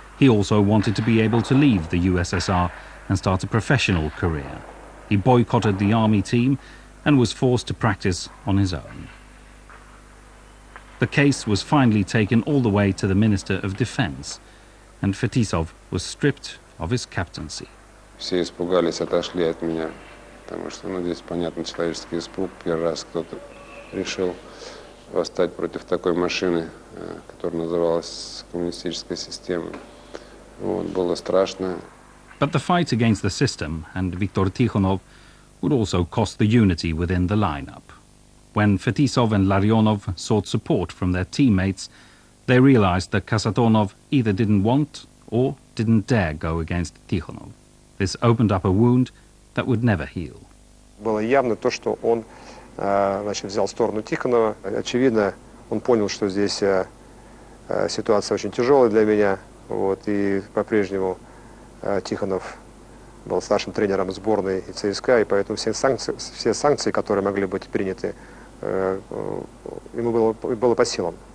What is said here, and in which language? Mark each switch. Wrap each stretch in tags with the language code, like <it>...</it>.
<en>He also wanted to be able to leave the USSR and start a professional career. He boycotted the army team and was forced to practice on his own. The case was finally taken all the way to the Minister of Defense, and Fetisov was stripped of his captaincy.</en> <ru>Все испугались, отошли от меня, потому что, ну, здесь понятен человеческий испуг. Первый раз кто-то решил восстать против такой машины, которая называлась коммунистической системой. Вот, было страшно.</ru> <en>But the fight against the system and Viktor Tikhonov would also cost the unity within the lineup. When Fetisov and Ларионов sought support from their teammates, they realized that Kasatonov either didn't want or didn't dare go against Tikhonov. This opened up a wound that would never heal.</en> <ru>Было явно то, что он взял сторону Тихонова. Очевидно, он понял, что здесь ситуация очень тяжелая для меня. Вот, и по-прежнему Тихонов был старшим тренером сборной ЦСКА, и поэтому все санкции, которые могли быть приняты, ему было по силам.</ru>